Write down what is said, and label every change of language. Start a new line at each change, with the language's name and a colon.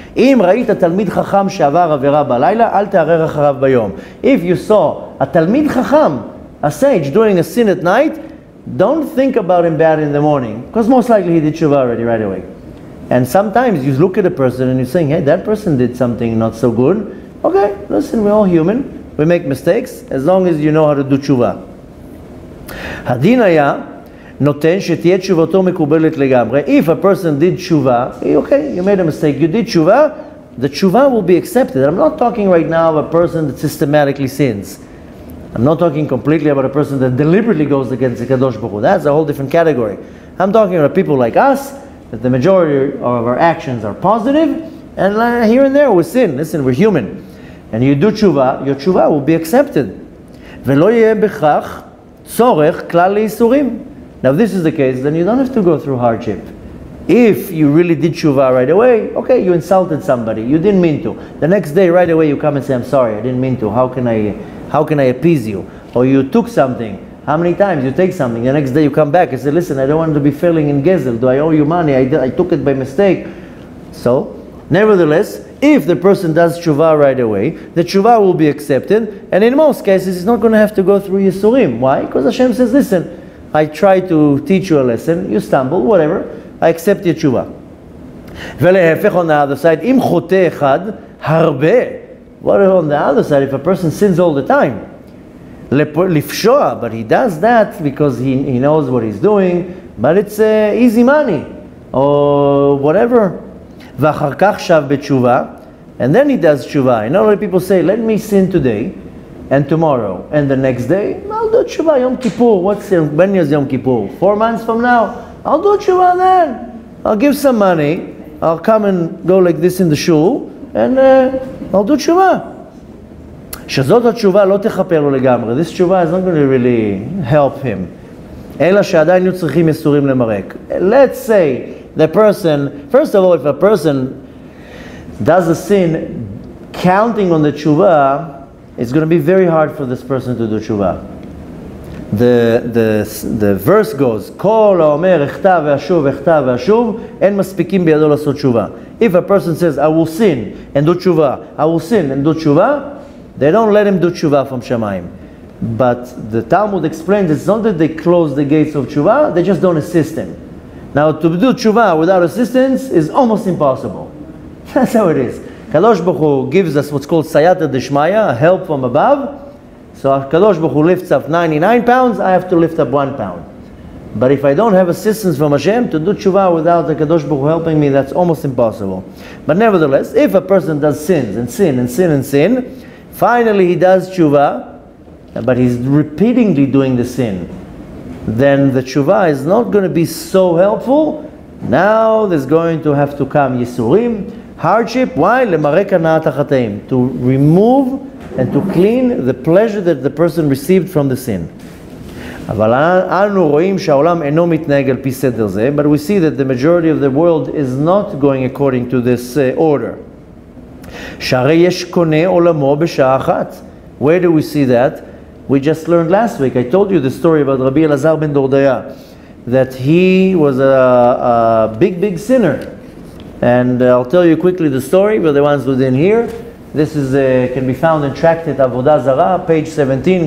Hebrew: אם ראית תלמיד חכם שעבר עבירה בלילה, אל תערער אחריו ביום.
English: If you saw a תלמיד חכם, a sage doing a sin at night, don't think about him bad in the morning, because most likely he did tshuva already right away. And sometimes you look at a person and you're saying, hey, that person did something not so good. Okay, listen, we're all human. We make mistakes, as long as you know how to do tshuva.
Hebrew: הדין היה נותן שתהיה תשובתו מקובלת לגמרי.
English: If a person did תשובה, okay, you made a mistake, you did תשובה, the תשובה will be accepted. I'm not talking right now of a person that systematically sins. I'm not talking completely about a person that deliberately goes against the Kadosh Baruch Hu. That's a whole different category. I'm talking about people like us, that the majority of our actions are positive, and here and there we sin. Listen, we're human. And you do תשובה, your תשובה will be accepted.
Hebrew: ולא יהיה בכך צורך כלל לאיסורים.
English: Now if this is the case, then you don't have to go through hardship. If you really did tshuva right away, okay, you insulted somebody, you didn't mean to. The next day, right away, you come and say, I'm sorry, I didn't mean to. How can I appease you? Or you took something. How many times you take something? The next day you come back and say, listen, I don't want to be failing in gezel. Do I owe you money? I took it by mistake. So, nevertheless, if the person does tshuva right away, the tshuva will be accepted. And in most cases, he's not going to have to go through yisurim. Why? Because Hashem says, listen, I try to teach you a lesson, you stumble, whatever, I accept your תשובה.
Hebrew: ולהפך,
English: on the other side,
Hebrew: אם חוטא אחד, הרבה.
English: What if on the other side, if a person sins all the time?
Hebrew: לפשוע,
English: but he does that because he knows what he's doing, but it's easy money, or whatever.
Hebrew: ואחר כך שב בתשובה,
English: and then he does תשובה. You know, a lot of people say, let me sin today, and tomorrow, and the next day, I'll do תשובה, יום כיפור. What's your, when is יום כיפור? 4 months from now? I'll do תשובה then. I'll give some money, I'll come and go like this in the shul, and I'll do תשובה.
Hebrew: שזאת התשובה לא תחפר לו לגמרי.
English: This תשובה is not going to really help him.
Hebrew: אלא שעדיין הוא צריכים יסורים למרק.
English: Let's say the person, first of all, if a person does a sin counting on the תשובה, it's going to be very hard for this person to do תשובה. The verse goes,
Hebrew: כל האומר אכתב ואשוב, אכתב ואשוב, אין מספיקים בידו לעשות תשובה.
English: If a person says, I will sin and do תשובה, I will sin and do תשובה, they don't let him do תשובה from Shemaim. But the Talmud explains, it's not that they close the gates of תשובה, they just don't assist him. Now, to do תשובה without assistance is almost impossible. That's how it is. Kadosh Baruch Hu gives us what's called Sayata Deshmaya, help from above. So Kadosh Baruch Hu lifts up 99 pounds, I have to lift up 1 pound. But if I don't have assistance from Hashem, to do tshuva without the Kadosh Baruch Hu helping me, that's almost impossible. But nevertheless, if a person does sins and sin and sin and sin, finally he does tshuva, but he's repeatedly doing the sin, then the tshuva is not going to be so helpful. Now there's going to have to come yisurim, hardship. Why?
Hebrew: למרק הנעת החטאים,
English: to remove and to clean the pleasure that the person received from the sin.
Hebrew: אבל אנו רואים שהעולם אינו מתנהג על פי סדר זה,
English: but we see that the majority of the world is not going according to this order.
Hebrew: שהרי יש קונה עולמו בשעה אחת.
English: Where do we see that? We just learned last week, I told you the story about Rabbi Elazar ben Dordaya, that he was a big, big sinner. And I'll tell you quickly the story, but the ones who didn't hear, this is can be found in tractate Avodah Zarah, page 17.